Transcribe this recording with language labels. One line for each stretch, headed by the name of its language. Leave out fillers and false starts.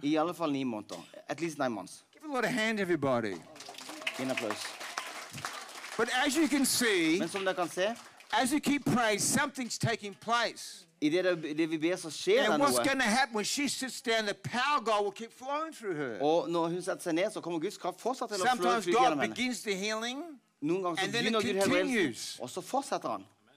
Norwegian: I alle fall 9 måneder.
English: At least 9 months. Give a lot of hand, everybody.
Norwegian: En applaus.
English: But as you can see,
Norwegian: men som dere kan se,
English: as you keep praying, something's taking place.
Norwegian: I det vi ber, så skjer det noe.
English: And what's going to happen when she sits down, the power of God will keep flowing through her.
Norwegian: Og når hun setter seg ned, så kommer Guds kraft fortsatt til å flå gjennom henne.
English: Sometimes God begins the healing, and then it continues.
Norwegian: Og så fortsetter han.